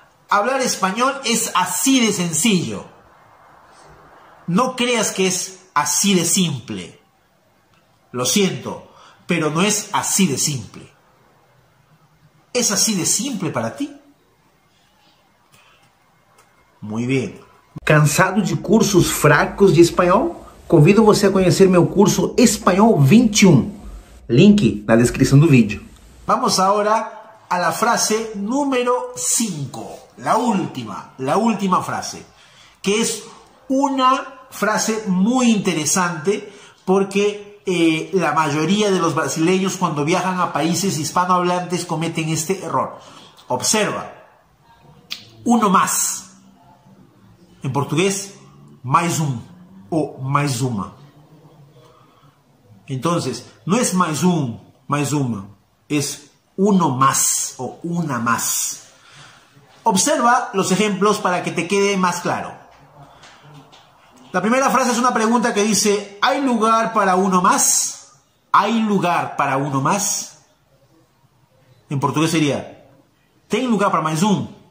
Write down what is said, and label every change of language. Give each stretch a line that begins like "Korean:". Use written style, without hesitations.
Spanish: Hablar español es así de sencillo. No creas que es así de simple. Lo siento, pero no es así de simple. ¿Es así de simple para ti? Muy bien. ¿Cansado de cursos fracos de español?
Portuguese: Convido você a conhecer meu curso Espanhol 21. Link na descrição do vídeo.
Spanish: Vamos agora a la frase número 5. La última frase.
Portuguese: Que é uma frase muito interessante, porque
Spanish: la mayoría de los brasileños, cuando viajan a países hispanohablantes, cometen este error. Observa. Uno más. En portugués,
Portuguese: mais um. O mais uma.
Spanish: Entonces, no es
Portuguese: mais um, mais uma.
Spanish: Es uno más o una más. Observa los ejemplos para que te quede más claro. La primera frase es una pregunta que dice, ¿hay lugar para uno más? ¿Hay lugar para uno más? En portugués sería,
Portuguese: ¿tem lugar para mais um?